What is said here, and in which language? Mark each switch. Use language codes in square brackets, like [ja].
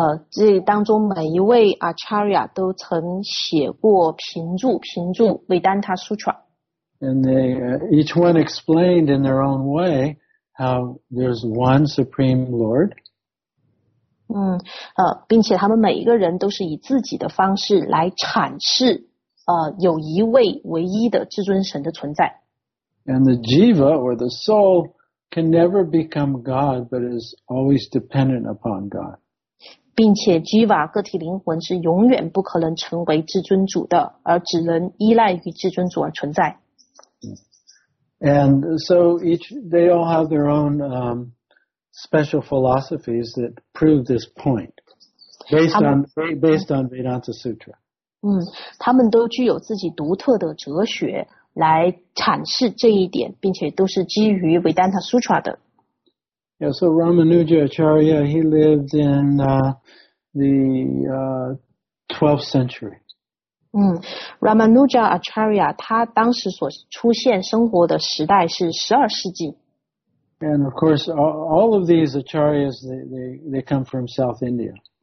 [zh] 这当中每一位 acharya 都曾写过评注 Vedanta Sutra. [en] And they, each one explained in their own way how there's one Supreme Lord. [zh] 并且他们每一个人都是以自己的方式来阐释有一位唯一的至尊神的存在。 [en] And the jiva, or the soul, can never become God, but is always dependent upon God. [zh] 并且 jiva, 个体灵魂是永远不可能成为至尊主的，而只能依赖于至尊主而存在。 [en] And so each, they all have their own special philosophies that prove this point, based on Vedanta Sutra. [zh] 他们都具有自己独特的哲学。来阐释这一点，并且都是基于维丹塔苏查的。 [en] Yeah, so Ramanuja Acharya, he lived in the 12th century. [zh] Ramanuja Acharya, 他当时所出现生活的时代是12世纪。 [en] And of course, all of these Acharyas, they come from South India.